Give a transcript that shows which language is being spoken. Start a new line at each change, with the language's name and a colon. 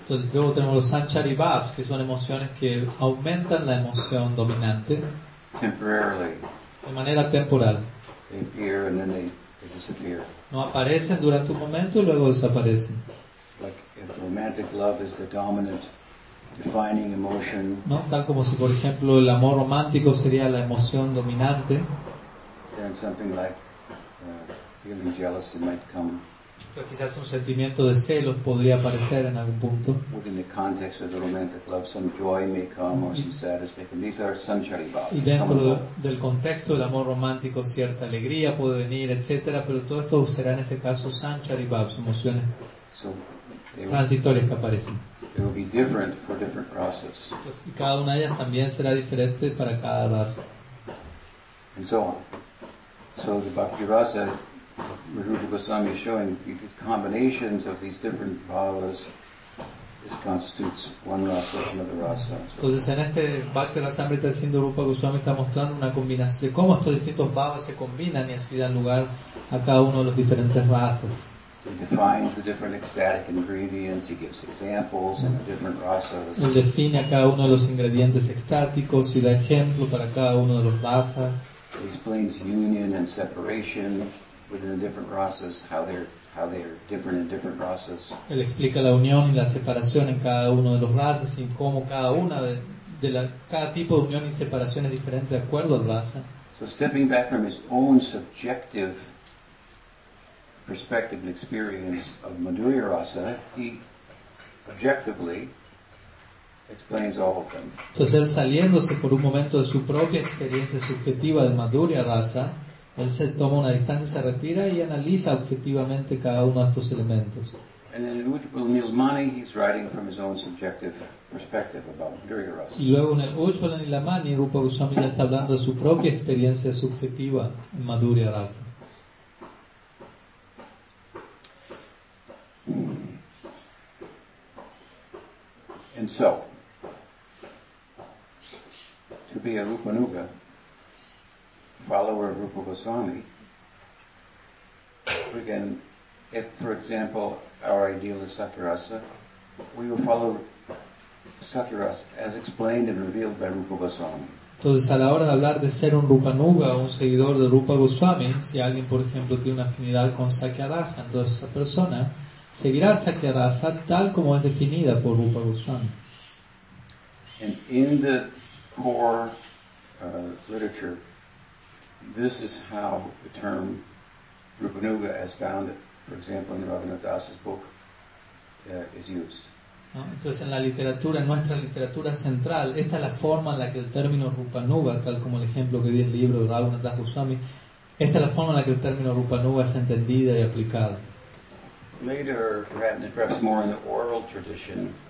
Spanish: Entonces, luego tenemos los sanchari bhavs, que son emociones que aumentan la emoción dominante.
English: Temporarily.
Spanish: De manera temporal.
English: They appear and then they disappear.
Spanish: No aparecen durante un momento y luego desaparecen.
English: Like if romantic love is the dominant defining emotion.
Spanish: No, tal como si, por ejemplo, el amor romántico sería la emoción dominante.
English: Then something like feeling jealousy might come.
Spanish: Pero quizás un sentimiento de celos podría aparecer en algún punto.
English: Within the context of the romantic love, some joy may come or some sadness may come. These are sanchari bhavs.
Spanish: Y dentro del contexto del amor romántico, cierta alegría puede venir, etcétera. Pero todo esto será en ese caso sanchari bhavs, emociones transitorias que aparecen.
English: It will be different for different rasas.
Spanish: Entonces, y cada una de ellas también será diferente para cada rasa.
English: And so on. So the bhakti rasa, Rupa Goswami is showing the combinations of these different bhavas. This constitutes one rasa, another rasa.
Spanish: Entonces, en este bhakti rasamrita haciendo Rupa Goswami está mostrando una combinación de cómo estos distintos bhavas se combinan y así dan lugar a cada uno de los diferentes rasas.
English: He defines the different ecstatic ingredients. He gives examples in the different rasas.
Spanish: Él define a cada uno de los ingredientes extáticos y da ejemplo para cada uno de los rasas.
English: He explains union and separation within the different rasas, how they're different in different rasas.
Spanish: Él explica la unión y la separación en cada uno de los rasas y cómo cada tipo de unión y separación es diferente de acuerdo al rasa.
English: So stepping back from his own subjective perspective and experience of Madhurya Rasa, he objectively explains all of them.
Spanish: Entonces, él saliéndose por un momento de su propia experiencia subjetiva de Madhurya Rasa, él se toma una distancia, se retira y analiza objetivamente cada uno de estos elementos.
English: And then in Ujjvala Nilamani, he's writing from his own subjective perspective about Madhurya Rasa.
Spanish: Y luego en el Ujjvala Nilamani, Rupa Goswami ya está hablando de su propia experiencia subjetiva en Madhurya Rasa.
English: And so, to be a Rupanuga, follower of Rupa Goswami, again, if, for example, our ideal is Sakyarasa, we will follow Sakyarasa as explained and revealed by Rupa Goswami.
Spanish: Entonces, a la hora de hablar de ser un Rupanuga o un seguidor de Rupa Goswami, si alguien, por ejemplo, tiene una afinidad con Sakyarasa, entonces esa persona seguirá Sakyarasa tal como es definida por Rupa Goswami.
English: And in the core literature, this is how the term Rupanuga, as found, for example, in Raghunath Das's book, is used.
Spanish: Entonces, en la literatura, en nuestra literatura central, esta es la forma en la que el término Rupanuga, tal como el ejemplo que di en el libro de Raghunath Das Goswami, esta es la forma en la que el término Rupanuga es entendida y aplicada.
English: Later, perhaps more in the oral tradition,